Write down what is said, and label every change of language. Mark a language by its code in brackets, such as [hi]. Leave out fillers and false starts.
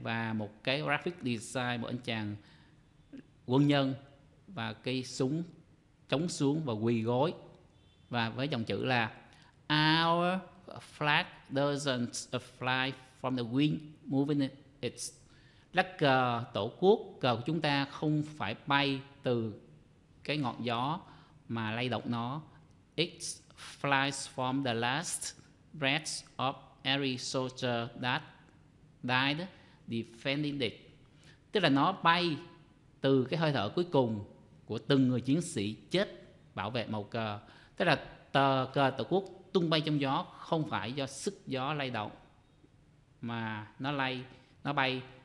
[vi] Và một cái graphic design, một anh chàng quân nhân và cây súng chống xuống và quỳ gối, và với dòng chữ là [en] our flag doesn't fly from the wind moving it. [vi] Lá cờ tổ quốc, cờ của chúng ta không phải bay từ cái ngọn gió mà lay động nó. [en] It flies from the last breath of every soldier that died defending it. [vi] Tức là nó bay từ cái hơi thở cuối cùng của từng người chiến sĩ chết bảo vệ màu cờ. Tức là tờ cờ tổ quốc tung bay trong gió không phải do sức gió lay động, mà nó bay